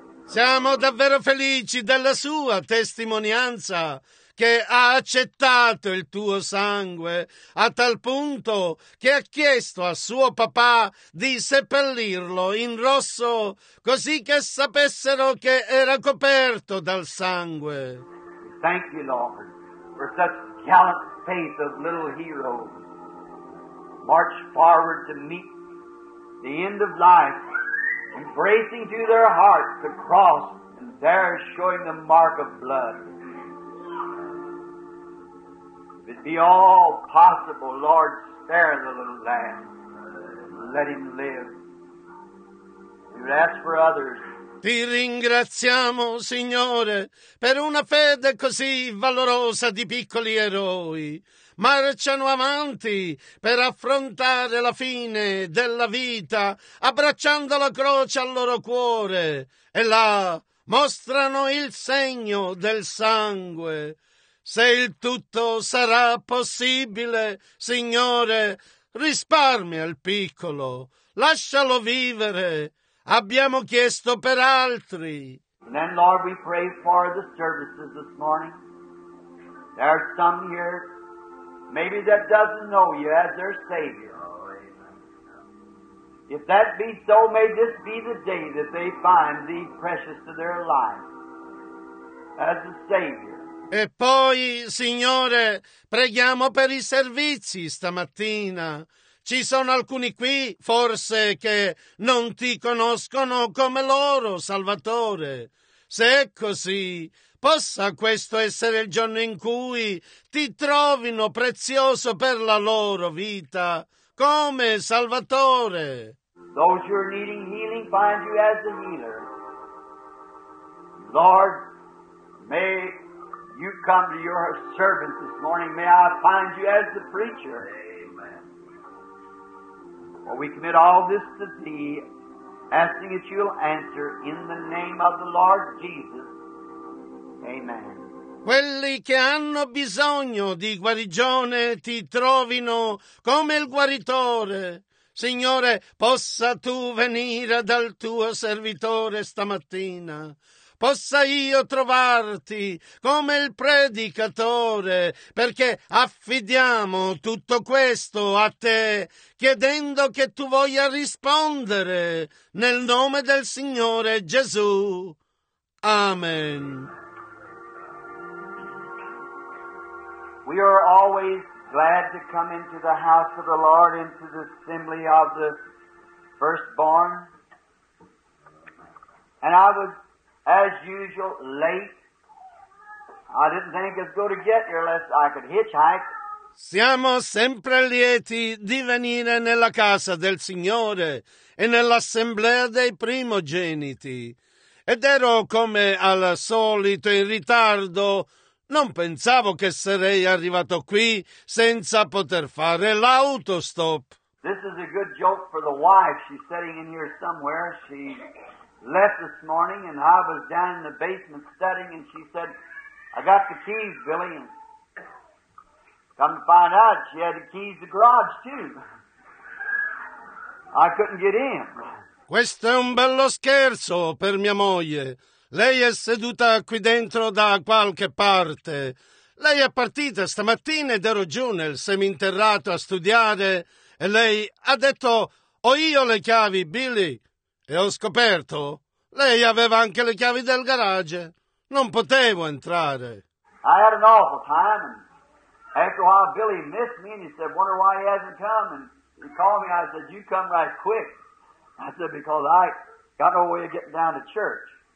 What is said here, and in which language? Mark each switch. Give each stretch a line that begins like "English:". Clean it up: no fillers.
Italian: Siamo davvero felici della sua testimonianza che ha accettato il tuo sangue a tal punto che ha chiesto a suo papà di seppellirlo in rosso così che sapessero che era coperto dal sangue.
English: Thank you, Lord, for such gallant faith of little heroes. March forward to meet the end of life, embracing to their hearts the cross, and there showing the mark of blood. If it be all possible, Lord, spare the little lamb. Let him live. We would ask for others.
Italian: Ti ringraziamo, Signore, per una fede così valorosa di piccoli eroi. Marciano avanti per affrontare la fine della vita, abbracciando la croce al loro cuore, e là mostrano il segno del sangue. Se il tutto sarà possibile, Signore, risparmia il piccolo, lascialo vivere. Abbiamo chiesto per altri.
English: And then, Lord, we pray for the services this morning. There are some here, maybe that doesn't know you as their Savior. If that be so, may this be the day that they find thee precious to their life as a Savior.
Italian: E poi, Signore, preghiamo per i servizi stamattina. Ci sono alcuni qui, forse, che non ti conoscono come loro Salvatore. Se è così, possa questo essere il giorno in cui ti trovino prezioso per la loro vita, come Salvatore.
English: Those who are needing healing find you as the healer. Lord, may you come to your servant this morning. May I find you as the preacher. For we commit all this to thee, asking that you'll answer in the name of the Lord Jesus. Amen.
Italian: Quelli che hanno bisogno di guarigione ti trovino come il guaritore. Signore, possa tu venire dal tuo servitore stamattina. Possa io trovarti come il predicatore, perché affidiamo tutto questo a te, chiedendo che tu voglia rispondere nel nome del Signore Gesù. Amen.
English: We are always glad to come into the house of the Lord, into the assembly of the firstborn. And I was, as usual, late. I didn't think it was going to get here unless I could hitchhike.
Italian: Siamo sempre lieti di venire nella casa del Signore e nell'assemblea dei primogeniti. Ed ero come al solito in ritardo. Non pensavo che sarei arrivato qui senza poter fare l'autostop.
English: This is a good joke for the wife. She's sitting in here somewhere. She left this morning, and I was down in the basement studying, and she said, I got the keys, Billy. And come to find out, she had the keys to the garage, too. I couldn't get in.
Italian: Questo è un bello scherzo per mia moglie. Lei è seduta qui dentro da qualche parte. Lei è partita stamattina ed ero giù nel seminterrato a studiare, e lei ha detto, ho io le chiavi, Billy. E ho scoperto, lei aveva anche le chiavi del garage. Non potevo entrare.
English: I had an awful time. After a while, Billy missed me, and he said, "Wonder why he hasn't come?" And he called me. I said, "You come right quick." I said, "Because I got no way of getting down to church."